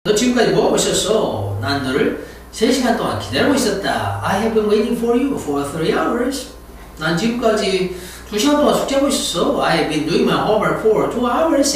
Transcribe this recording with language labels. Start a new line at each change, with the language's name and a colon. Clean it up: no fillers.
Korean: 너 지금까지 뭐 하고 있었어? 난 너를 3시간 동안 기다리고 있었다.
English: I have been waiting for you for 3 hours.
Korean: 난 지금까지 2시간 동안 숙제하고 있었어.
English: I have been doing my homework for 2 hours.